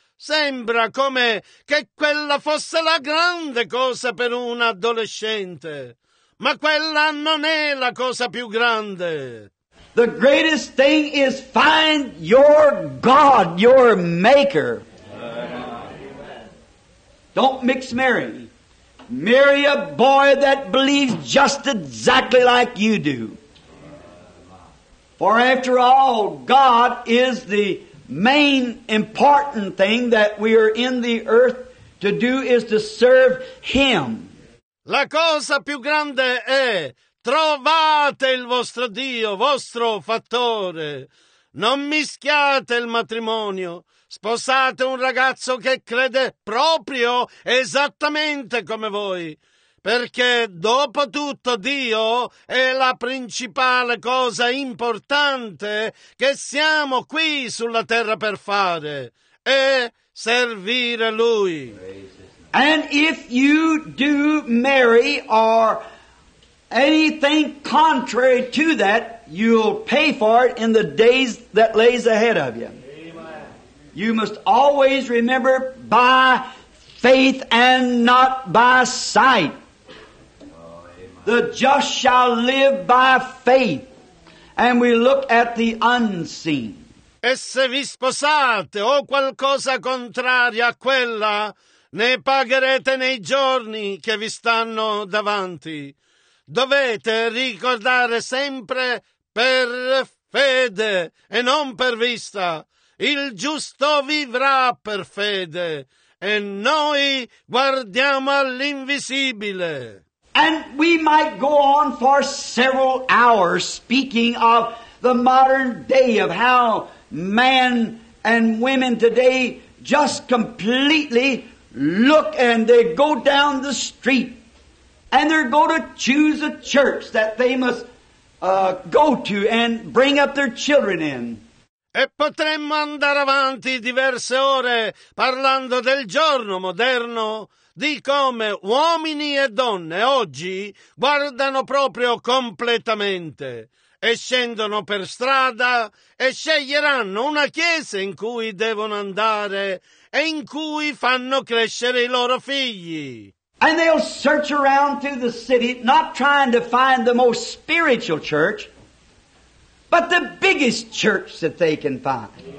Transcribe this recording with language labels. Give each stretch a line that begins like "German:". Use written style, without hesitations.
Italian: Sembra come che quella fosse la grande cosa per un adolescente. Ma quella non è la cosa più grande.
English: The greatest thing is find your God, your maker. Don't mix Mary. Marry a boy that believes just exactly like you do. For after all, God is the main important thing that we are in the earth to do is to serve Him.
Italian: La cosa più grande è trovate il vostro Dio, vostro fattore. Non mischiate il matrimonio. Sposate un ragazzo che crede proprio esattamente come voi, perché dopo tutto Dio è la principale cosa importante che siamo qui sulla terra per fare, è servire Lui.
English: And if you do marry or anything contrary to that, you'll pay for it in the days that lays ahead of you. You must always remember by faith and not by sight. The just shall live by faith. And we look at the unseen.
Italian: E se vi sposate o qualcosa contraria a quella, ne pagherete nei giorni che vi stanno davanti. Dovete ricordare sempre per fede e non per vista. Il giusto vivrà per fede, e noi guardiamo all'invisibile.
English: And we might go on for several hours speaking of the modern day, of how men and women today just completely look and they go down the street and they're going to choose a church that they must go to and bring up their children in.
Italian: E potremmo andare avanti diverse ore parlando del giorno moderno, di come uomini e donne oggi guardano proprio completamente e scendono per strada e sceglieranno una chiesa in cui devono andare e in cui fanno crescere i loro figli.
English: And they'll search around through the city, not trying to find the most spiritual church, but the biggest church that they can find.